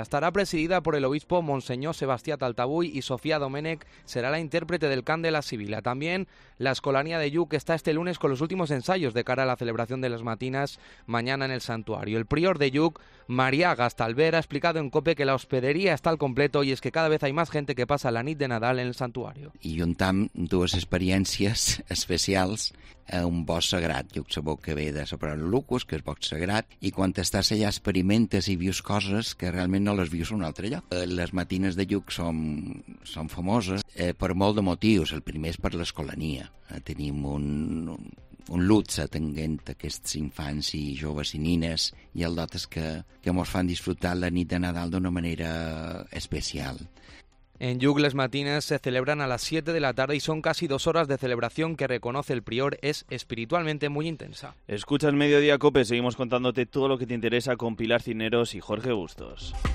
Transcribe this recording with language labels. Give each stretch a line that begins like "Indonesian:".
Spanish: Estará presidida por el obispo Monseñor Sebastià Taltabull y Sofía Domènech será la intérprete del cant de la Sibila. También la Escolanía de Lluc está este lunes con los últimos ensayos de cara a la celebración de las matinas mañana en el santuario. El prior de Lluc, María Gastalver, ha explicado en COPE que la hospedería está al completo y es que cada vez hay más gente que pasa
Catalan: la nit de Nadal
Spanish: en el santuario.
Catalan: Y juntam dues experiències especials a un bosc sagrat. Lluc sabeu que ve de la paraula lucus, que és bosc sagrat, i quan estàs allà experimentes i vius coses que realment no les vius a un altre lloc. Les matines de Lluc són famoses per molt de motius. El primer és per l'escolania. Tenim un luxe atenguent aquests infants i joves i nines, i el dot és que mos fan disfrutar la nit de Nadal d'una manera especial.
Spanish: En Lluc les matines se celebran a las 7 de la tarde y son casi dos horas de celebración que reconoce el prior es espiritualmente muy intensa. Escucha el Mediodía COPE, seguimos contándote todo lo que te interesa con Pilar Cineros y Jorge Bustos.